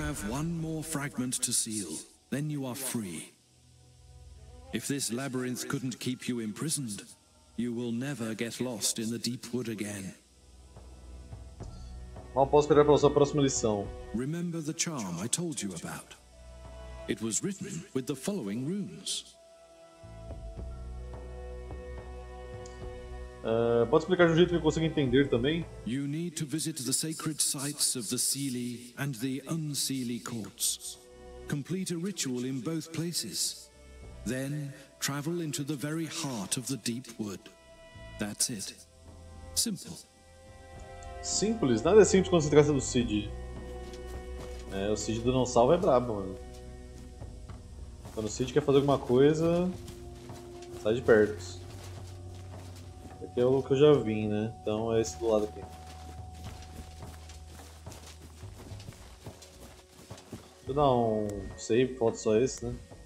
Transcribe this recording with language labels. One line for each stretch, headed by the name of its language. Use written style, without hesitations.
English: One more fragment to seal, then you are free. If this labyrinth couldn't keep you imprisoned, you will never get lost in the deep wood again.
Portuguese: Não posso esperar para a sua próxima lição.
English: Remember the charm I told you about. It was written with the following runes.
Portuguese: Pode explicar de um jeito que eu consiga entender também?
English: You need to visit the sacred sites of the Seelie and the Unseelie courts. Complete a ritual in both places. Then travel into the very heart of the deep wood. That's it. Simple.
Portuguese: Simples? Nada é simples quando se trata do Cid. É, o Cid do Não Salvo é brabo, mano. Quando o Cid quer fazer alguma coisa, sai de perto. Que é o que eu já vim, né? Então é esse do lado aqui. Deixa eu dar um save, falta só esse, né?